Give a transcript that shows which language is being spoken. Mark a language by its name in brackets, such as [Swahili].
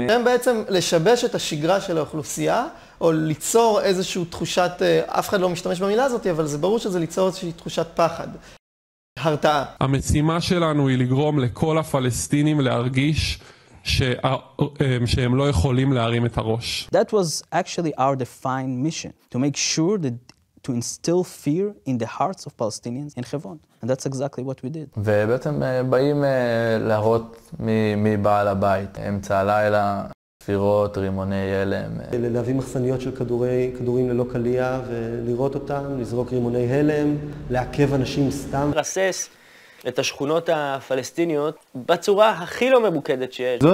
[Hebrew] הם בעצם לשבש את השגרה של האוכלוסייה, או ליצור איזושהי תחושת, אף אחד לא משתמש במילה הזאת, אבל זה ברור שזה ליצור איזושהי תחושת פחד. הרתעה. המשימה שלנו היא לגרום לכל הפלסטינים להרגיש שהם לא יכולים להרים את הראש. [English] That was actually our defined mission, to make sure that to instill fear in the hearts of Palestinians in Hebron. And that's exactly what we did. [Hebrew] ובעצם באים להראות מי בעל הבית. אמצע הלילה, ספירות, רימוני הלם. להביא מחסניות של כדורים ללא קליה ולראות אותם, לזרוק רימוני הלם, לעכב אנשים סתם. לרסס את השכונות הפלסטיניות בצורה הכי לא ממוקדת שיש.